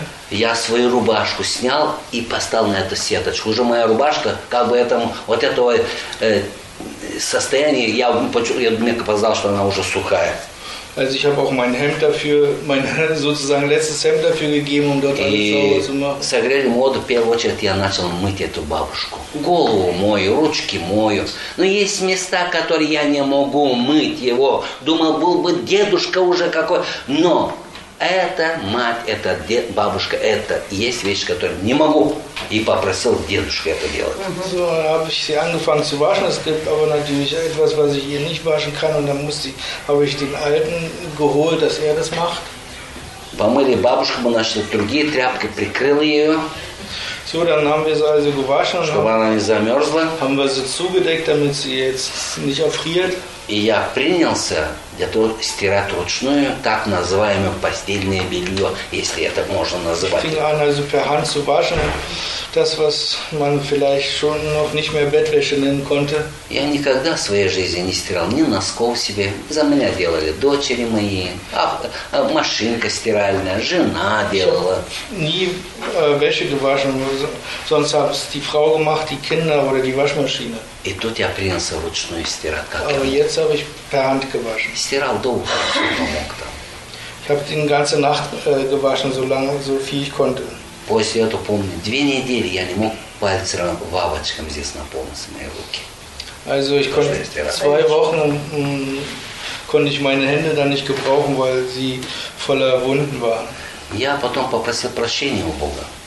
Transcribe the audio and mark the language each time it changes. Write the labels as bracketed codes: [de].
[ru] Я свою рубашку снял и поставил на эту сеточку. Уже моя рубашка, как бы этому, вот этого состояния, я почувствовал, мне показалось, что она уже сухая. [de] Also ich habe auch mein Hemd dafür, mein sozusagen letztes Hemd dafür gegeben, um dort alles sauber zu machen. [ru] Согрели моду, в первую очередь я начал мыть эту бабушку. Голову мою, ручки мою. Но есть места, которые я не могу мыть его. Думал, был бы дедушка уже какой. Но это мать, это дед, бабушка, это есть вещи, которые не могу. И попросил дедушку это делать. [de] So, habe ich sie angefangen zu waschen. Es gibt aber natürlich etwas, was ich ihr nicht waschen kann. Und dann musste ich, habe ich den Alten geholt, dass er das macht. [ru] Помыли бабушку, мы нашли другие тряпки, прикрыли ее. [de] So, dann haben wir sie also gewaschen. [ru] Чтобы она не замерзла. [de] Haben wir sie zugedeckt, damit sie jetzt nicht erfriert. [ru] И я принялся для того, стирать ручную, так называемое постельное белье, если это можно назвать. [de] Ich fing an, also per Hand zu waschen, das, was man vielleicht schon noch nicht mehr Bettwäsche nennen konnte. [ru] Я никогда в своей жизни не стирал ни носков себе. За меня делали дочери мои, машинка стиральная, жена делала. [de] Nie Wäsche gewaschen, sonst hat es die Frau gemacht, die Kinder oder die Waschmaschine. [ru] И тут я принялся вручную стирать. Как [de] aber [ru] я... [de] jetzt habe ich per Hand gewaschen. [ru] Стирал долго, что помог там. [de] Ich habe den ganze Nacht gewaschen, so lange, so viel ich konnte. [ru] После этого, помню, две недели я не мог пальцем, вавочком здесь наполнить мои руки. [de] Also ich konnte zwei Wochen konnte ich meine Hände dann nicht gebrauchen, weil sie voller Wunden waren. [ru] Я потом попросил прощения у Бога.